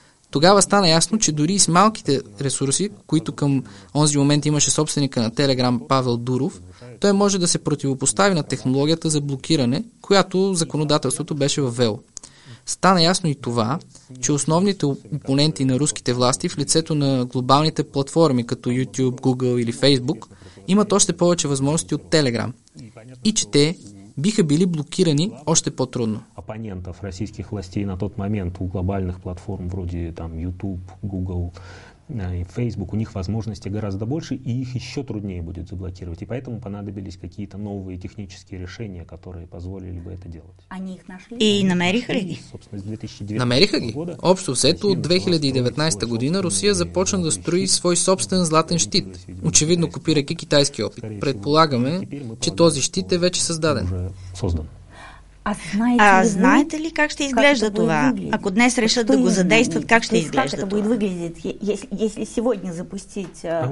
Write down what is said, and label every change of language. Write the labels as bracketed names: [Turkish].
[Bulgarian] Тогава стана ясно, че дори и с малките ресурси, които към онзи момент имаше собственика на Telegram Павел Дуров, той може да се противопостави на технологията за блокиране, която законодателството беше въвело. Стана ясно и това, че основните опоненти на руските власти в лицето на глобалните платформи като YouTube, Google или Facebook имат още повече възможности от Telegram. И че те биха били блокирани още по-трудно. [Russian] Опонентов российских властей на тот момент у глобальных платформ вроде там YouTube, Google и Facebook, у них возможности гораздо больше, и их еще труднее будет заблокировать. И поэтому понадобились какие-то новые технические решения, которые позволили бы это делать. [Bulgarian] И намериха ли? Намериха ги? Общо взето, от 2019 година Русия започна да строи свой собствен златен щит, очевидно копирайки китайски опит. Предполагаме, че този щит е вече създаден. А знаете ли как ще изглежда това? Ако днес решат да го задействат, как ще изглежда това? [Russian] Если сегодня запустить...